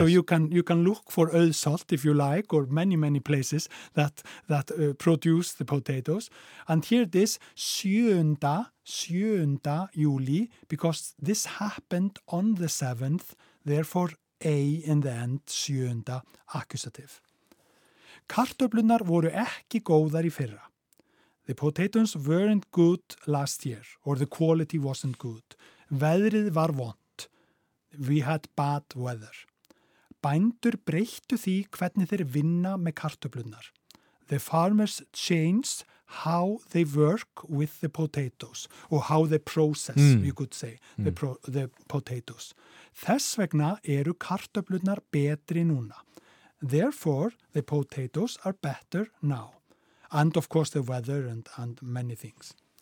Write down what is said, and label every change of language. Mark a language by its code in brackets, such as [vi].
[en] So you can look for Ölsalt if you like, or many, many places that produce the potatoes. And here it is, Sjönda Juli, because this happened on the 7th, therefore A in the end, Sjönda, accusative. [is] Kartöflurnar voru ekki góðar í fyrra. [en] The potatoes weren't good last year, or the quality wasn't good. [is] Veðrið var vont. [en] We had bad weather. [is] Bændur breyttu því hvernig þeir vinna með kartöflurnar. [en] The farmers changed how they work with the potatoes, or how they process, you could say, the potatoes. [is] Þess vegna eru kartöflurnar betri núna. [en] Therefore, the potatoes are better now. And of course the weather and many things.